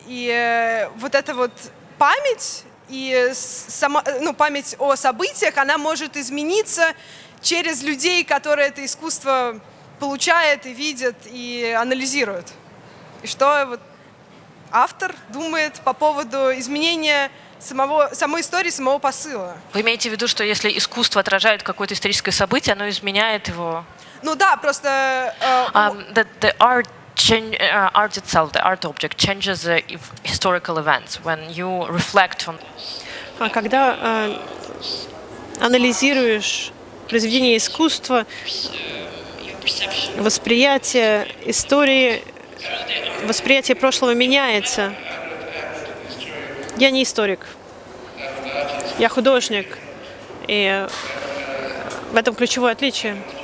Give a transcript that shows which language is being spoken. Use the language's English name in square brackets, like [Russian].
[Russian] И вот эта вот память... И сама, ну, память о событиях, она может измениться через людей, которые это искусство получают и видят, и анализируют. И что вот, автор думает по поводу изменения самой истории, самого посыла? Вы имеете в виду, что если искусство отражает какое-то историческое событие, оно изменяет его? Ну да, просто... [English] Art itself, the art object, changes the historical events when you reflect on. [Russian] А когда анализируешь произведение искусства, восприятие истории, восприятие прошлого меняется. Я не историк, я художник, и в этом ключевое отличие.